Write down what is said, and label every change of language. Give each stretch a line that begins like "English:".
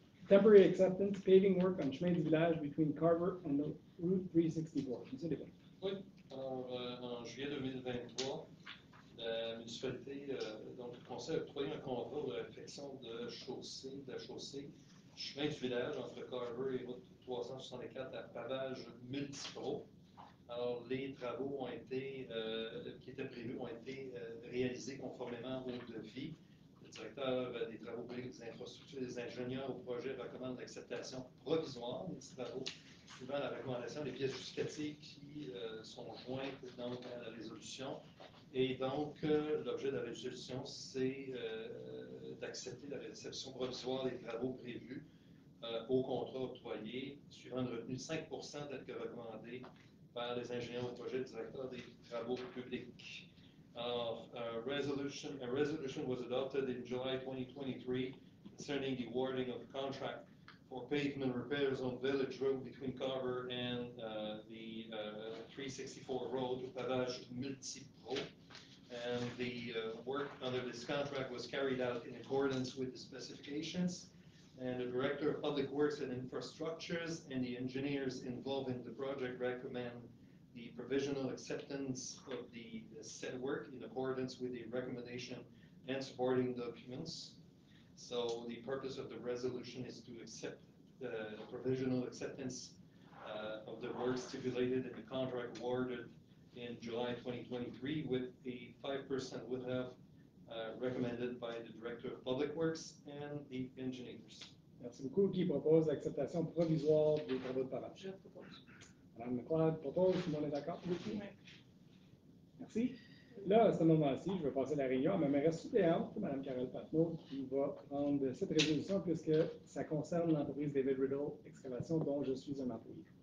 English: temporary acceptance paving work on Chemin du Village between Carver and the Route 364.
French: Monsieur Dupin. Oui, en juillet 2023, la municipalité, donc le conseil a octroyé un contrat de réfection de la chaussée Chemin du Village entre Carver et Route 364 à pavage multipro. Alors, les travaux ont été, qui étaient prévus ont été réalisés conformément au devis. Le directeur des travaux publics, des infrastructures, des ingénieurs au projet recommande l'acceptation provisoire des travaux suivant la recommandation des pièces justificatives qui sont jointes dans la résolution. Et donc, l'objet de la résolution, c'est d'accepter la réception provisoire des travaux prévus au contrat octroyé suivant une retenue de 5 % telle que recommandée par les ingénieurs au projet directeur des travaux publics.
English: Alors, a resolution was adopted in July 2023 concerning the awarding of a contract for pavement repairs on Village Road between Carver and the 364 Road, pavage multipro. And the work under this contract was carried out in accordance with the specifications. And the Director of Public Works and Infrastructures and the engineers involved in the project recommend the provisional acceptance of the said work in accordance with the recommendation and supporting documents. So the purpose of the resolution is to accept the provisional acceptance of the work stipulated in the contract awarded in July 2023 with a 5% withheld recommended by the Director of Public Works and the engineers.
French: Merci beaucoup. Qui propose l'acceptation provisoire des travaux de parage? Je propose. Madame McLeod propose, tout le monde est d'accord? Oui. Oui. Merci. Là, à ce moment-ci, je vais passer la réunion à ma mairesse suppléante, Madame Carole Patnaud, qui va prendre cette résolution puisque ça concerne l'entreprise David Riddle Excavation, dont je suis un employé.